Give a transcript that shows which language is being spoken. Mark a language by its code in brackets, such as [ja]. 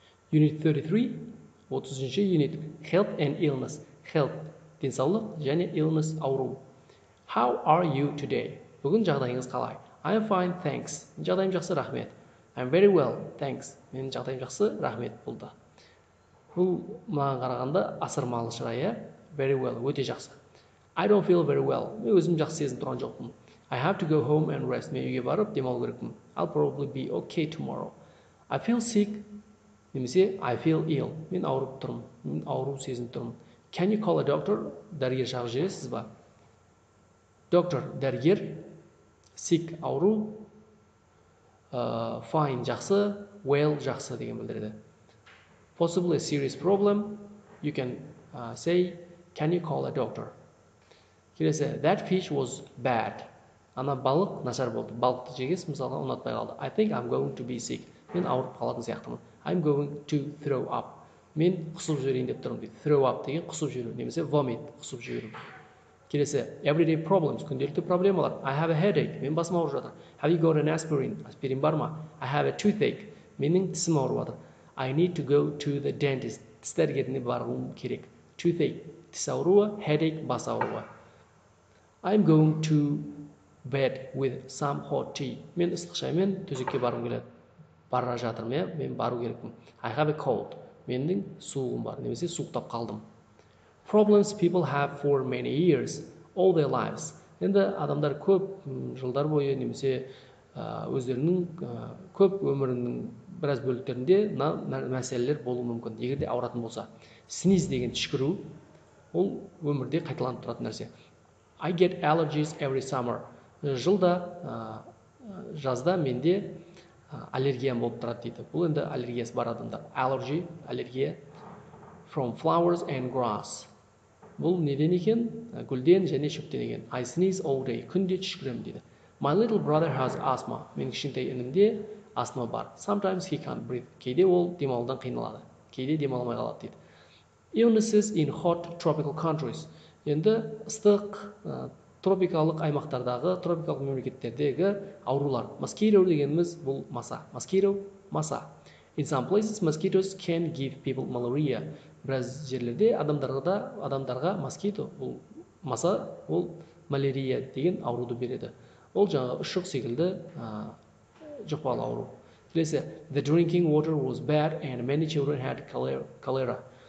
[en] Unit 33, 30-unit, health and illness. [kk] Health, денсаулық, және illness, ауру. [en] How are you today? [kk] Бүгін жағдайыңыз қалай? [en] I am fine, thanks. [kk] Жағдайым жақсы, рахмет. [en] I am very well, thanks. [kk] Мен жағдайым жақсы, рахмет болды. Бұл маған қарағанда асырмалы шырайы. Very well, өте жақсы. [en] I don't feel very well. [kk] Мен өзім жақсы сезім тұрған жоқпын. [en] I have to go home and rest. [kk] Мен үйге барып демалу керекпін. [en] I'll probably be okay tomorrow. I feel sick. Немесе, I feel ill. [kk] Мен ауырып тұрым. Мен ауру сезініп тұрым. [en] Can you call a doctor? [kk] Дәрігер шақырып жібересіз ба? Doctor, дәрігер. Sick, ауру. Fine, жақсы. Well, жақсы деген білдіреді. [en] Possibly a serious problem. You can say, can you call a doctor? Келесі, that fish was bad. [kk] Ана балық нашар болды. Балықты жегес, мысалға ұнатпай қалды. [en] I think I'm going to be sick. [kk] Мен ауырып қалатын сияқтымын. [en] I'm going to throw up. [kk] Мен құсып жүрейін деп тұрым. Throw up деген құсып жүрейін. Немесе vomit құсып жүрейін. [en] Келесі, everyday problems. Күнделікті проблемалар. I have a headache. [kk] Мен басым ауырып жатыр. [en] Have you got an aspirin? [kk] Аспирин бар ма? [en] I have a toothache. [kk] Менің тісім ауырып жатыр. [en] I need to go to the dentist. [kk] Тіс дәрігеріне баруым керек. Toothache. Тіс ауруы, headache, бас ауруы. [en] I'm going to bed with some hot tea. [kk] Мен ыстық шаймен төсекке барғым келеді. Бара жатырмын, я? Мен бару керекпін. [en] I have a cold. [kk] Менің суығым бар, немесе суықтап қалдым. [en] Problems people have for many years, all their lives. [kk] Енді адамдар көп жылдар бойы, немесе өздерінің көп өмірінің біраз бөліктерінде мәселелер болуы мүмкін, егер де ауыратын болса. Сниз деген түшкіру, ол өмірде қайталанып тұратын нәрсе. [en] I get allergies every summer. [kk] Жылда, жазда менде аллергиям болып тұрады дейді. Бұл енді аллергиясы бар адамдар. Allergy, аллергия. [en] From flowers and grass. [kk] Бұл неден екен? Гүлден және шөптен екен. [en] I sneeze all day. [kk] Күнде түшкіремін дейді. [en] My little brother has asthma. [kk] Мен кішкентай інімде астма бар. [en] Sometimes he can't breathe. [kk] Кейде ол демалудан қиналады. Кейде демалмай қалады дейді. [en] Illnesses in hot tropical countries. [kk] Енді ыстық тропикалық аймақтардағы, тропикалық мемлекеттердегі аурулар. Mosquito дегеніміз бұл маса. Mosquito – маса. [en] In some places, mosquitoes can give people malaria. [kk] Біраз жерлерде адамдарға mosquito, бұл маса, ол малярия деген ауруды береді. Ол жаңа ұшық секілді жұқпалы ауру. [en] Келесі, the drinking water was bad and many children had cholera.